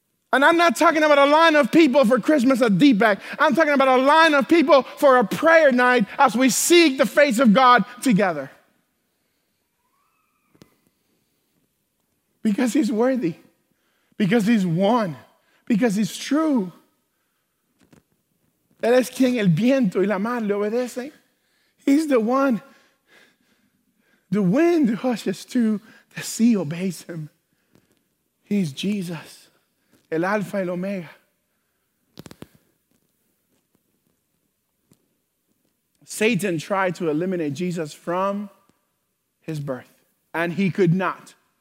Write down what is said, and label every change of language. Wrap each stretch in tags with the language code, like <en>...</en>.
<en>And I'm not talking about a line of people for Christmas at Deepak. I'm talking about a line of people for a prayer night as we seek the face of God together. Because he's worthy, because he's one, because he's true.</en> <es>Él es quien el viento y la mar le obedecen.</es> <en>He's the one. The wind hushes too, the sea obeys him. He's Jesus,</en> <es>el Alpha y el Omega.</es> <en>Satan tried to eliminate Jesus from his birth, and he could not.</en>